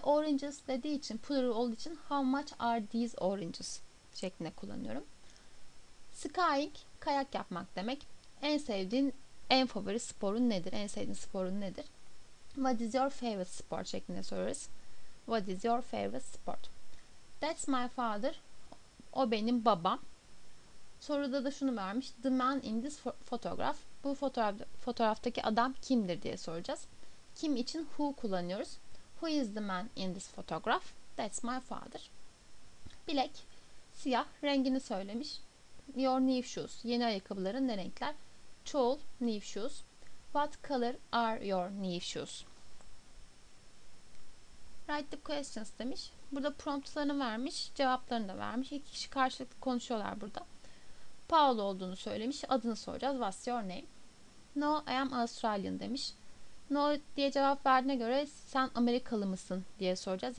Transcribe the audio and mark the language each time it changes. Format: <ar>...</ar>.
<tr>Oranges dediği için, plural olduğu için</tr> <en>how much are these oranges</en> <tr>şeklinde kullanıyorum. Skiing, kayak yapmak demek. En sevdiğin, en favori sporun nedir? En sevdiğin sporun nedir?</tr> <en>What is your favorite sport</en> <tr>şeklinde sorarız.</tr> <en>What is your favorite sport? That's my father.</en> <tr>O benim babam. Soruda da şunu vermiş.</tr> <en>The man in this photograph.</en> <tr>Bu fotoğraftaki adam kimdir diye soracağız. Kim için who kullanıyoruz.</tr> <en>Who is the man in this photograph? That's my father.</en> <tr>Bilek. Siyah. Rengini söylemiş.</tr> <en>Your new shoes.</en> <tr>Yeni ayakkabıların ne renkler?</tr> <en>Çoğul. New shoes. What color are your new shoes? Write the questions demiş.</en> <tr>Burada promptlarını vermiş. Cevaplarını da vermiş. İki kişi karşılıklı konuşuyorlar burada. Paul olduğunu söylemiş. Adını soracağız.</tr> <en>What's your name? No, I am Australian demiş.</en> <tr>No diye cevap verdiğine göre sen Amerikalı mısın diye soracağız.</tr>